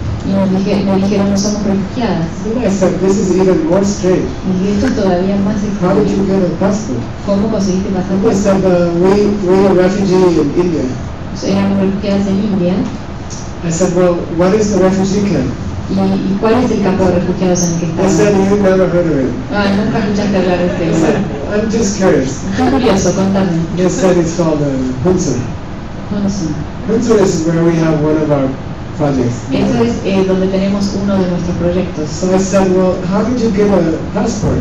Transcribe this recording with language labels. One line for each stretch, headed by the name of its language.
Spanish: Y me dijeron, no somos refugiadas.
English: Then I said, this is even more strange.
Spanish: Y esto todavía más extraño.
English: How did you get a passport?
Spanish: ¿Cómo conseguiste pasaporte?
English: I said, we are refugees in India.
Spanish: Éramos refugiadas en India.
English: I said, well, what is the refugee camp?
Spanish: ¿Y cuál es el campo de refugiados en el que estamos?
English: I said, you've never heard of it.
Spanish: Ah, nunca escuchaste hablar de este.
English: I said, I'm just curious.
Spanish: Estoy curioso, contame.
English: They said it's called Hunsun. Hunsun. Hunsun is where we have one of our projects.
Spanish: Eso es donde tenemos uno de nuestros proyectos.
English: So I said, well, how did you get a passport?